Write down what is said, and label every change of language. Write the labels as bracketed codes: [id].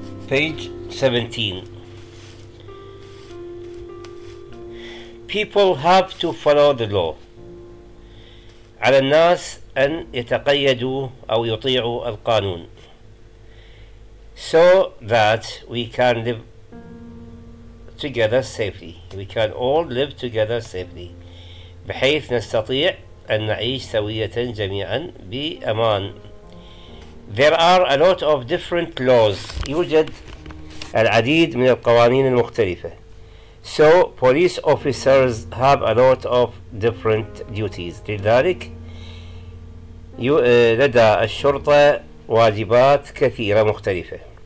[en] page 17. people have to follow the law، [ar] على الناس أن يتقيدوا أو يطيعوا القانون. [en] so that we can live together safely، we can all live together safely، [ar] بحيث نستطيع أن نعيش سوية جميعا بأمان. [en] There are a lot of different laws. [ar] يوجد العديد من القوانين المختلفة. [en] So police officers have a lot of different duties. [ar] لذلك لدى الشرطة واجبات كثيرة مختلفة.